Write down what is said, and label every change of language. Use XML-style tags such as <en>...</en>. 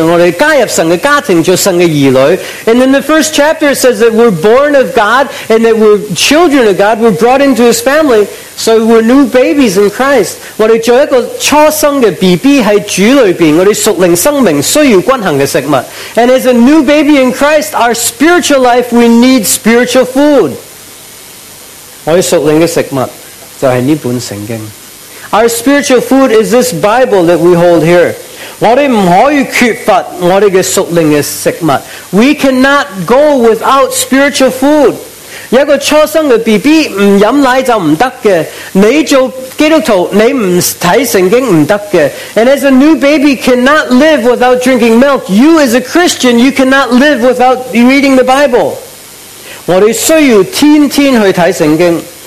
<zh>第一章话我们听是神生我们的，我们加入神的家庭，做神的儿女。</zh> <en>And then the first chapter says that we're born of God and that we're children of God, we're brought into His family, so we're new babies in Christ.</en> <zh>我们做一个初生的BB在主里面，我们属灵生命需要均衡的食物。</zh> <en>And as a new baby in Christ, our spiritual life, we need spiritual food.</en> <zh>我们属灵的食物就是这本圣经。</zh> <en>Our spiritual food is this Bible that we hold here.</en> <zh>我们不可以缺乏我们的属灵的食物。</zh> <en>We cannot go without spiritual food.</en> <zh>一个初生的BB不喝奶就不行的。你做基督徒，你不看圣经不行的。</zh> <en>And as a new baby cannot live without drinking milk, you as a Christian, you cannot live without reading the Bible.</en> <zh>我们需要天天去看圣经。</zh>